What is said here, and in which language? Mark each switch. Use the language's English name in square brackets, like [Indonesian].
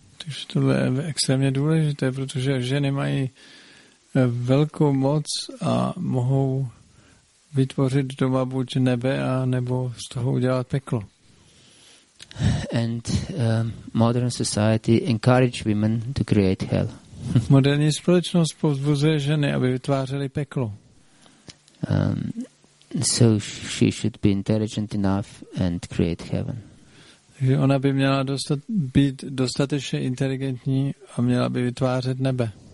[Czech] Takže tohle je extrémně důležité, protože ženy mají velkou moc a mohou vytvořit doma buď nebe a nebo z toho udělat peklo. [English] And modern society encourage women to create hell. [Czech] Moderní společnost povzbuzuje ženy, aby vytvářely peklo. [English] So she should be intelligent enough and create heaven. [Czech] Že ona by měla být dostatečně inteligentní a měla by vytvářet nebe.